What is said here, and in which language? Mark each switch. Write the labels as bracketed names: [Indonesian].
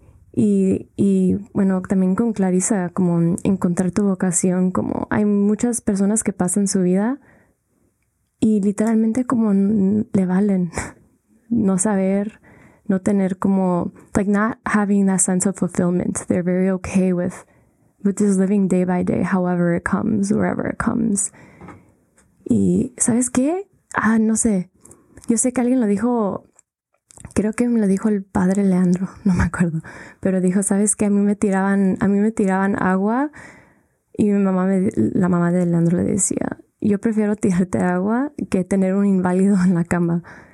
[Spanish] Y bueno, también con Clarisa, como encontrar tu vocación, como hay muchas personas que pasan su vida y literalmente como le valen no saber, no tener como, [English] like not having that sense of fulfillment. They're very okay with just living day by day, however it comes, wherever it comes. [Spanish] Y ¿sabes qué? No sé. Yo sé que alguien lo dijo, creo que me lo dijo el padre Leandro, no me acuerdo, pero dijo, ¿sabes qué? A mí me tiraban agua y la mamá de Leandro le decía, yo prefiero tirarte agua que tener un inválido en la cama.